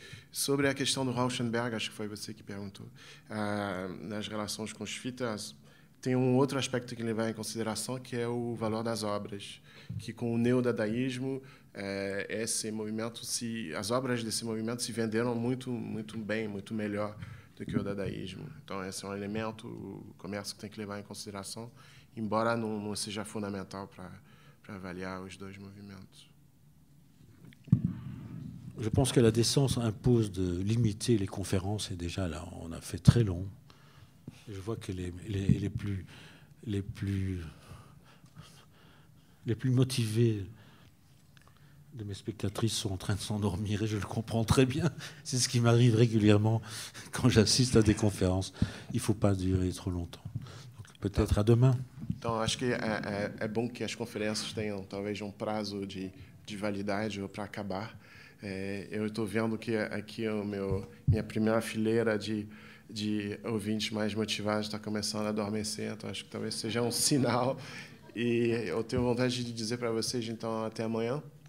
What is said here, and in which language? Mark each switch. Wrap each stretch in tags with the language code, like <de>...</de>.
<pt>Sobre a questão do Rauschenberg, acho que foi você que perguntou, nas relações com os Schwitters, tem um outro aspecto que levar em consideração, que é o valor das obras, que com o neodadaísmo, esse movimento, as obras desse movimento se venderam muito, muito bem, muito melhor do que o dadaísmo. Então, esse é um elemento, o comércio que tem que levar em consideração, embora não seja fundamental para avaliar os dois movimentos.</pt> <fr>Je pense que la décence impose de limiter les conférences, et déjà là, on a fait très long. Je vois que les plus motivés de mes spectatrices sont en train de s'endormir et je le comprends très bien. C'est ce qui m'arrive régulièrement quand j'assiste à des conférences. Il ne faut pas durer trop longtemps. Donc, peut-être à demain. Donc, je pense que c'est bon que les conférences aient peut-être un</fr> <pt>prazo de validade</pt> <fr>pour</fr> <pt>acabar. Eu estou vendo que aqui o meu, minha primeira fileira de ouvintes mais motivados está começando a adormecer, então acho que talvez seja um sinal. E eu tenho vontade de dizer para vocês, então, até amanhã.</pt>